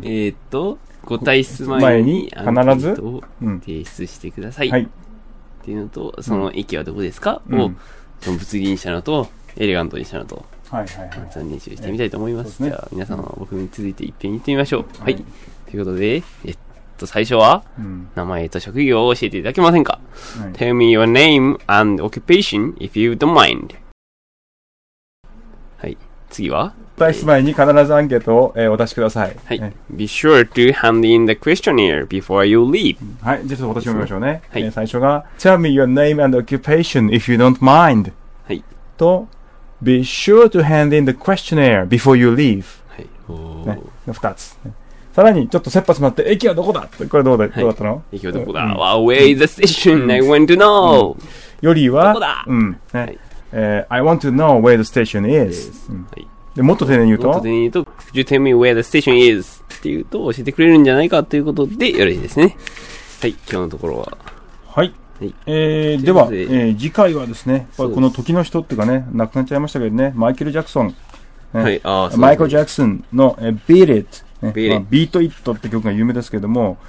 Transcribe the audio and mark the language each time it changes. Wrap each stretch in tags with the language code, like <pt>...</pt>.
<ja>ご退出前に、必ず、提出してください。はい。っていうのと、その駅はどこですか、うん、を、ちょっと物議にしたのと、エレガントにしたのと、はいはいはい。簡単練習してみたいと思います。そうですね、じゃあ、皆さん、僕に続いて一遍言ってみましょう。うん、はい。ということで、最初は、うん、名前と職業を教えていただけませんか、</ja> <en>はい、Tell me your name and occupation if you don't mind。</en> <ja>はい、次は退出前に必ずアンケートを、お出しください、</ja> <en>はい、Be sure to hand in the questionnaire before you leave、</en> <ja>うん、はい、じゃあ私も見ましょうね、はい、最初が</ja> <en>Tell me your name and occupation if you don't mind、</en> <ja>はい、</ja> <en>と Be sure to hand in the questionnaire before you leave、</en> <ja>はい、おー、ね、の2つ、さらに、ちょっと切羽詰まって、駅はどこだ？これどうだ、はい、どうだったの？駅はどこだ、</ja> <en>うん、?Well, where is the station? I want to know!、うん、</en> <ja>よりは、どこだ、</ja> <en>うん、ね、はい、I want to know where the station is.、</en> <ja>はい、でもっと丁寧に言うと、もっと丁寧に言うと、</ja> <en>Could you tell me where the station is?</en> <ja>って言うと、教えてくれるんじゃないかということで、よろしいですね。はい、今日のところは。はい。はい、では、次回はですね、この時の人っていうかね、亡くなっちゃいましたけどね、マイケル・ジャクソン、ね、はい、マイケル・ジャクソンの Beat It、ね、ビート・イットって曲が有名ですけども、</ja>